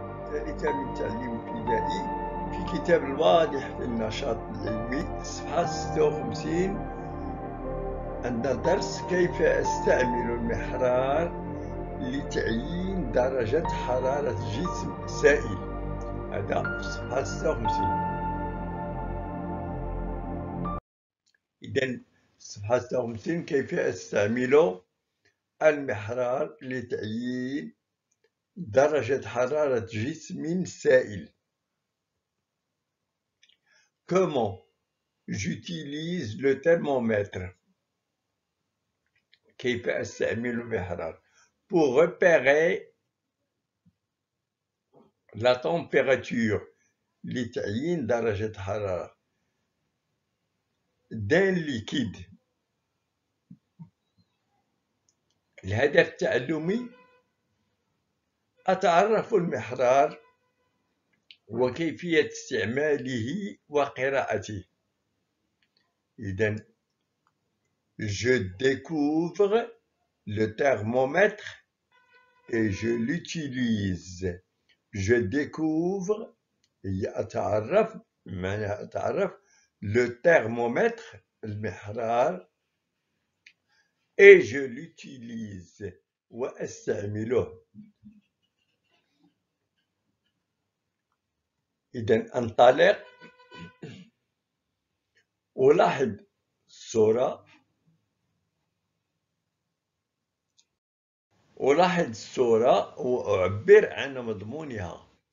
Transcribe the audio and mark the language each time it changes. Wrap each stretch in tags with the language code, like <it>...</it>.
<ar>ثالثة من التعليم الابتدائي في كتاب الواضح في النشاط العلمي صفحة 56 عند درس كيف أستعمل المحرار لتعيين درجة حرارة جسم سائل، هذا في صفحة 56. إذن صفحة 56 كيف أستعمل المحرار لتعيين درجة حرارة جسم سائل.</ar> <fr>Comment j'utilise le thermomètre?</fr> <ar>كيف أستعمل المحرار؟</ar> <fr>Pour repérer la température</fr> <ar>لتعيين درجة حرارة</ar> <fr>d'un liquide.</fr> <ar>الهدف التعلمي أتعرف المحرار وكيفية استعماله وقراءته.</ar> <fr>إذن je découvre le thermomètre et je l'utilise. Je découvre</fr> <ar>هي أتعرف، معنى أتعرف</ar> <fr>le thermomètre</fr> <ar>المحرار</ar> <fr>et je l'utilise</fr> <ar>وأستعمله. إذن انطلق ولاحظ الصورة، ولاحظ الصورة وأعبر عن مضمونها.</ar>